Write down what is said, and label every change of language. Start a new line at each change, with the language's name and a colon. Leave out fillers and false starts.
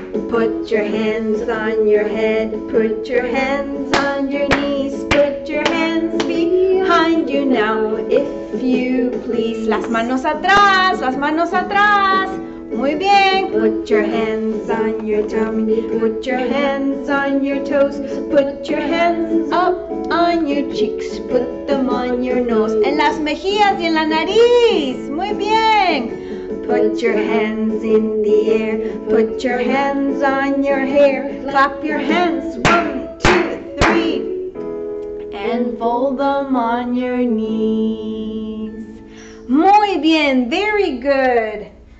English: Put your hands on your head, put your hands on your knees, put your hands behind you now, if you please.
Spanish: Las manos atrás, muy bien.
English: Put your hands on your tummy, put your hands on your toes, put your hands up on your cheeks, put them on your nose.
Spanish: En las mejillas y en la nariz, muy bien.
English: Put your hands in the air, put your hands on your hair, clap your hands, one, two, three, and fold them on your knees.
Spanish: Muy bien,
English: very good.